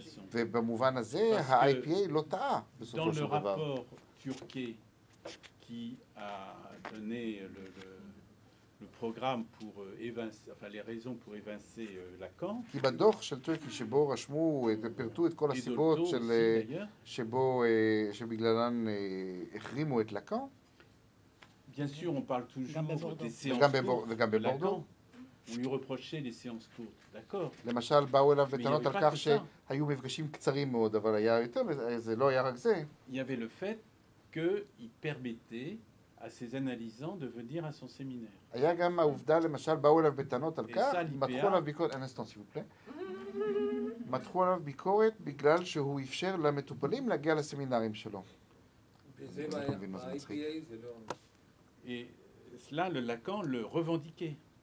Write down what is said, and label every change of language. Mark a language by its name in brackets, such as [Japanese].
[Hebrew] ובמובן הזה, ה-IPA לא טעה בסופו של דבר. [French] Dans le rapport turquais qui a donné le programme pour évincer, enfin les raisons pour évincer Lacan. [Hebrew] כי בדוח של טורקי שבו רשמו את פרטו את כל הסיבות של שבו שבגללן החרימו את לקאן. [French] Bien sûr, on parle toujours des séances courtes. [Hebrew] גם בבורדו. [French] On lui reprochait les séances courtes, d'accord. [Hebrew] למשל, באו אליו בטענות על כך שהיו מפגשים קצרים מאוד, אבל היה יותר, זה לא היה רק זה. [French] Il y avait le fait que il permettait à ses analysants de venir à son séminaire. [Hebrew] היה גם העובדה, למשל, באו אליו בטענות על כך, מתחו עליו ביקורת, אין אסטון, סיבו פלא, מתחו עליו ביקורת בגלל שהוא אפשר למטופלים להגיע לסמינרים שלו. וזה לא היה, ב-IPA זה לא... [French] Cela, le Lacan le revendiquait.